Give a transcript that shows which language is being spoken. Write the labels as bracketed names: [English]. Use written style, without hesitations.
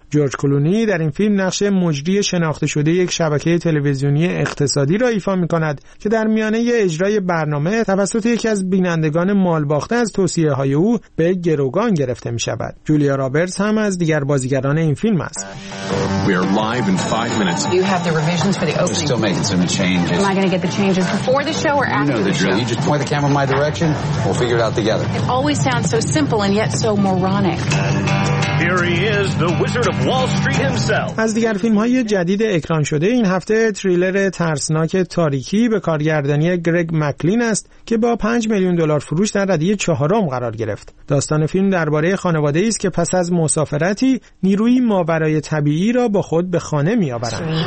[Persian] جورج کلونی در این فیلم نقش مجری شناخته شده یک شبکه تلویزیونی اقتصادی را ایفا می‌کند که در میانه اجرای برنامه توسط یکی از بینندگان مالباخته از توصیه‌های او به گروگان گرفته می‌شود. جولیا رابرتس هم از دیگر بازیگران این فیلم است. [English] We are live in 5 minutes. You have the revisions for the opening. We're still making some changes. Am I going to get the changes before the show or after? You know the drill. You just point the camera in my direction. We'll figure it out together. It always sounds so simple and yet so moronic. Here he is, the Wizard of Wall Street himself. [Persian] از دیگر فیلم‌های جدید اکران شده این هفته تریلر ترسناک تاریکی به کارگردانی گرگ مکلین است که با 5 میلیون دلار فروش در رده چهارم قرار گرفت. داستان فیلم درباره خانواده ای است که پس از مسافرتی نیروی ماورای طبیعی را با خود به خانه می آورند.